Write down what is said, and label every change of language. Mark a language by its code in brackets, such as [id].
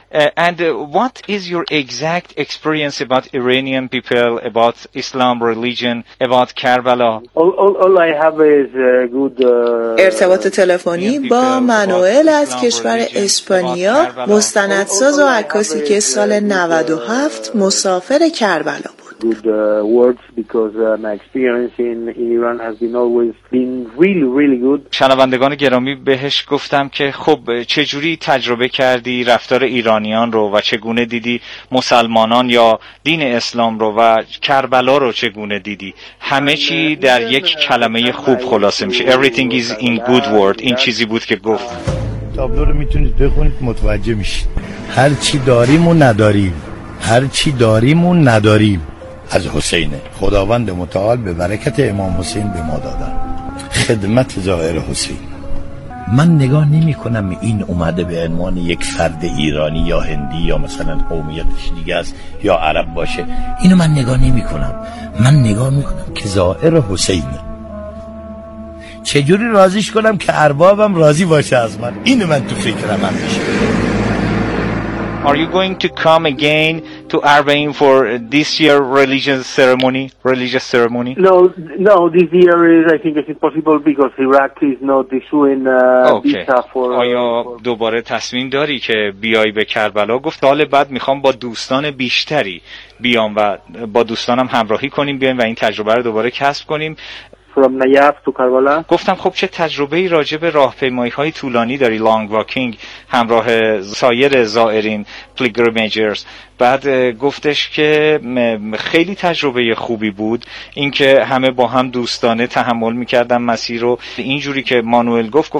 [en] And what is your exact experience about Iranian people, about Islam religion, about Karbala? All I have is a good [fa] ارتباط تلفنی با مانوئل از کشور اسپانیا، مستندساز و عکاسی که سال 97 مسافر کربلا بود. [en] Good words because my experience in Iran has been always been really good. [fa] شنوندگان گرامی، بهش گفتم که خب چجوری تجربه کردی رفتار ایرانیان رو و چگونه دیدی مسلمانان یا دین اسلام رو و کربلا رو چگونه دیدی؟ همه چی در یک کلمه خوب خلاصه میشه. [en] Everything is in good word. [fa] این چیزی بود که گفت. تابلو رو میتونید بخونید متوجه میشید. هر چی داریم و نداریم. هر چی داریم و نداریم. از حسینه، خداوند متعال به برکت امام حسین به ما دادن خدمت ظاهر حسین. من نگاه نمی کنم این اومده به عنوان یک فرد ایرانی یا هندی یا مثلا قومیتش دیگه است یا عرب باشه، اینو من نگاه نمی کنم. من نگاه می کنم که ظاهر حسینه، چجوری راضیش کنم که اربابم راضی باشه از من، اینو من تو فکرم هم میشه. [en] Are you going to come again to Arbaeen for this year religious ceremony? No, this year is, I think it's possible because Iraq is not issuing visa for. [fa] آیا دوباره تصمیم داری که بیای به کربلا؟ گفت سال بعد میخوام با دوستان بیشتری بیام و با دوستانم همراهی کنیم بیایم و این تجربه رو دوباره کسب کنیم. [en] From Nayaf to Karbala. [fa] گفتم خب چه تجربه ای راجع به راهپیمایی های طولانی داری، لانگ واکینگ همراه سایر زائرین، پیلگریمجرز؟ بعد گفتش که خیلی تجربه خوبی بود، اینکه همه با هم دوستانه تحمل میکردن مسیر رو اینجوری که مانوئل گفت.